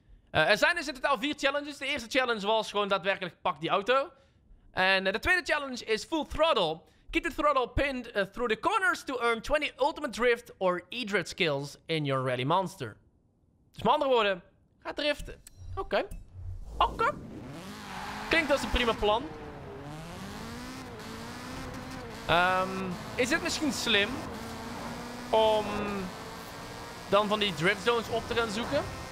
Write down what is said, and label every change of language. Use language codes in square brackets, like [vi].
[nl] Er zijn dus in totaal 4 challenges. De eerste challenge was gewoon daadwerkelijk pak die auto. En de tweede challenge is full throttle. [en] Keep the throttle pinned through the corners to earn 20 ultimate drift or e-drift skills in your rally monster. [nl] Dus met andere woorden, ga driften. Oké. Okay. Klinkt als een prima plan. Is het misschien slim om dan van die drift zones op te gaan zoeken?